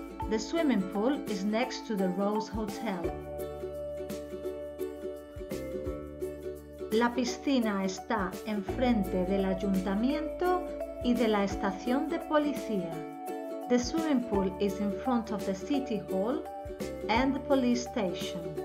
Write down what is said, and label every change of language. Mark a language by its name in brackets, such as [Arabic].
[English] The swimming pool is next to the Rose Hotel. [Spanish] La piscina está enfrente del ayuntamiento y de la estación de policía. [English] The swimming pool is in front of the city hall and the police station.